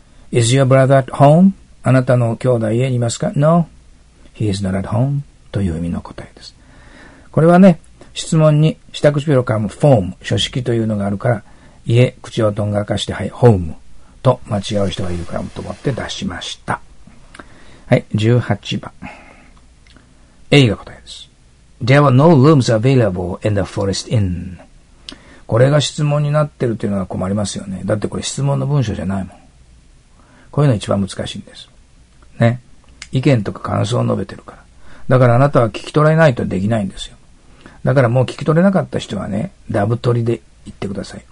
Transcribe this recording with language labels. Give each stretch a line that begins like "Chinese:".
English: Is your brother at home?
Japanese: あなたの兄弟家にいますか
English: ?No, he is not at home
Japanese: という意味の答えです。これはね、質問に下唇を噛むフォーム、書式というのがあるから、家、口をとんがかして、はい、ホームと間違う人がいるからと思って出しました。はい、18番。A が答えです。
English: There were no rooms available in the Forest Inn.
Japanese: これが質問になってるっていうのは困りますよね。だってこれ質問の文章じゃないもん。こういうのが一番難しいんです。ね。意見とか感想を述べてるから。だからあなたは聞き取れないとできないんですよ。だからもう聞き取れなかった人はね、ダブ取りで言ってください。